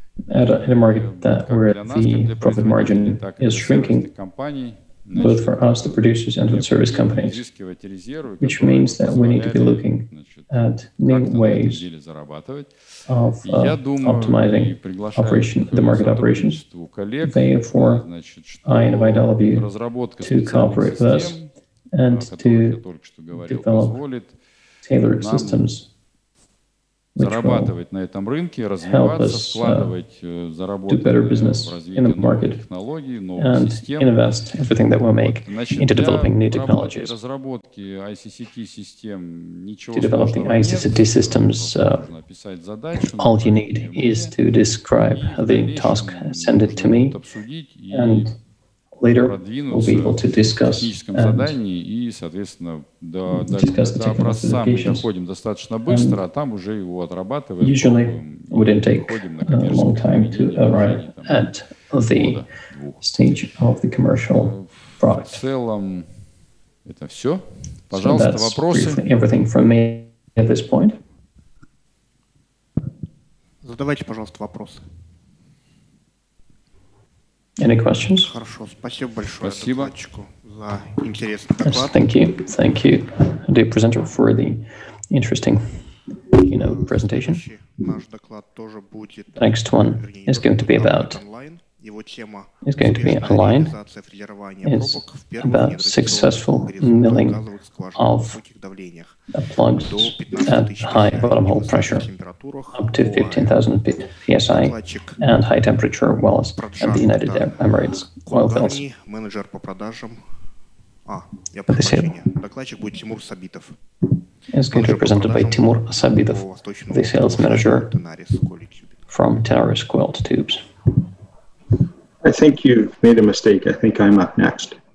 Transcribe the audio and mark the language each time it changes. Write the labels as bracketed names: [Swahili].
[English] at a market that where the profit margin is shrinking, both for us, the producers, and for the service companies, which means that we need to be looking at new ways of optimizing operation, the market operations. Therefore, I invite all of you to cooperate with us and to develop tailored systems [Russian] зарабатывать на этом рынке, развиваться, вкладывать, заработать в развитие новых технологий, новых систем. Значит, для разработки ICCT систем ничего сложного нет. [English] All you need is to describe the task, send it to me, and later we'll be able to discuss the different specifications. Usually it wouldn't take a long time to arrive at the stage of the commercial product. So that's briefly everything from me at this point. [Russian] Задавайте, пожалуйста, вопросы. [English] Any questions? [Russian] Хорошо, спасибо большое докладчику за интересный доклад. [English] Yes, thank you, dear presenter, for the interesting, presentation. [Russian] Наш доклад тоже будет. [English] The next one is going to be about. [Russian] Его тема. [English] Is going to be online. Is about successful milling of plugs at high bottom hole pressure, up to 15,000 psi and high temperature wells at the United Arab Emirates oil fields. [Russian] Менеджер по продажам. Я прошу. Докладчик будет Тимур Сабитов. [English] Is going to be presented by Тимур Сабитов, the sales manager from Tenaris Coiled Tubes. I think you made a mistake. I think I'm up next.